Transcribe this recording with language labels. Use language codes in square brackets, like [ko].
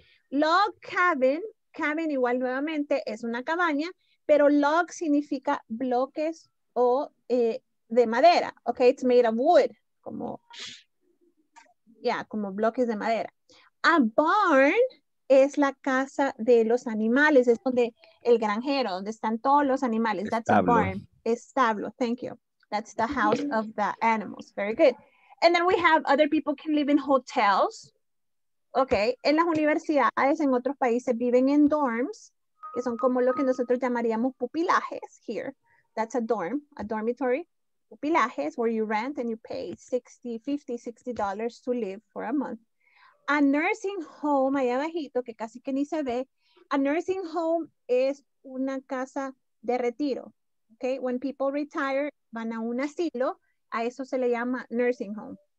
[es] Log cabin, cabin igual nuevamente es una cabaña, pero log significa bloques o de madera, ¿ok? [en] It's made of wood, como... Yeah, [es] como bloques de madera. A barn es la casa de los animales, es donde el granjero, donde están todos los animales. Establo. [en] That's a barn. Establo, thank you. That's the house of the animals. Very good. And then we have other people can live in hotels. Okay. [es] En las universidades, en otros países, viven en dorms, que son como lo que nosotros llamaríamos pupilajes here. [en] That's a dorm, a dormitory. Pupilajes, where you rent and you pay $50, $60 to live for a month. [es] A nursing home, allá abajito, que casi que ni se ve. A nursing home es una casa de retiro. Okay, [en] when people retire, [es] van a un asilo. A eso se le llama nursing home.